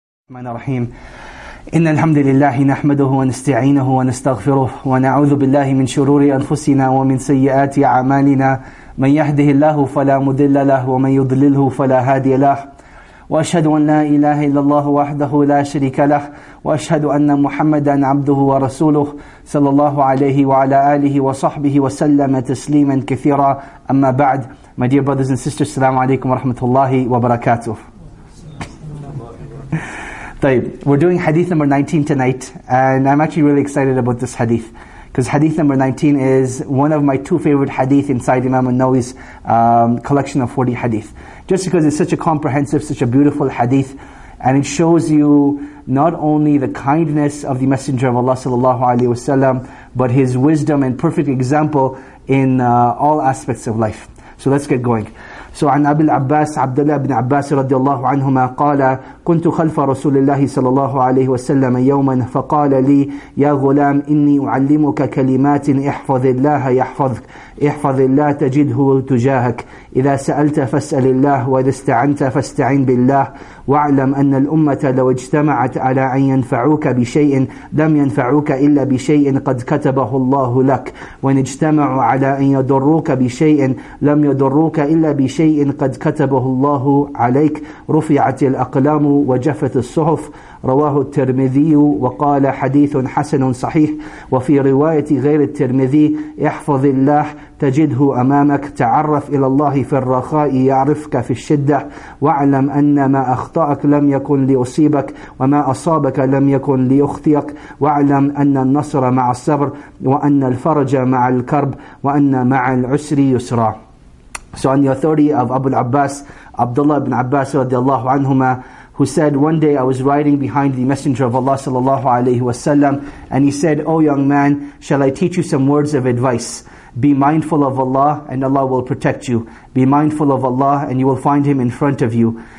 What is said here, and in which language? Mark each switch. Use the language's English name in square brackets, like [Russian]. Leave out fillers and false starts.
[Arabic] الرحمن الرحيم إن الحمد لله نحمده ونستعينه ونستغفره ونعوذ بالله من شرور أنفسنا ومن سيئات أعمالنا من يهده الله فلا مضل له ومن يضلله فلا هادي له وأشهد أن لا إله إلا الله وحده لا شريك له وأشهد أن محمدا عبده ورسوله صلى الله عليه وعلى آله وصحبه وسلم تسليما كثيرا أما بعد [English] My dear brothers and sisters, [Arabic] السلام عليكم ورحمة الله وبركاته [English] طيب, we're doing hadith number 19 tonight, and I'm actually really excited about this hadith, because hadith number 19 is one of my two favorite hadith inside Imam An-Nawawi's collection of 40 hadith. Just because it's such a comprehensive, such a beautiful hadith, and it shows you not only the kindness of the Messenger of Allah sallallahu alaihi wasallam, but his wisdom and perfect example in all aspects of life. So let's get going. [Arabic] So عن أبي العباس عبد الله بن عباس رضي الله عنهما قال كنت خلف رسول الله صلى الله عليه وسلم يوما فقال لي يا غلام إني أعلمك كلمات احفظ الله يحفظك احفظ الله تجده تجاهك إذا سألت فاسأل الله وإذا استعنت فاستعن بالله واعلم أن الأمة لو اجتمعت على أن ينفعوك بشيء لم ينفعوك إلا بشيء قد كتبه الله لك وإن اجتمعوا على أن يضروك بشيء لم يضروك إلا بشيء قد كتبه الله عليك رفعت الأقلام وجفت الصحف رواه الترمذي وقال حديث حسن صحيح وفي رواية غير الترمذي احفظ الله تجده أمامك تعرف إلى الله في الرخاء يعرفك في الشدة واعلم أن ما أخطأك لم يكن لأصيبك وما أصابك لم يكن ليخطئك واعلم أن النصر مع الصبر وأن الفرج مع الكرب وأن مع العسر يسرا. [English] So on the authority of Abu al-Abbas, Abdullah ibn Abbas radiallahu anhuma, who said, one day I was riding behind the Messenger of Allah sallallahu alayhi wasallam, and he said, O young man, shall I teach you some words of advice? Be mindful of Allah and Allah will protect you. Be mindful of Allah and you will find Him in front of you.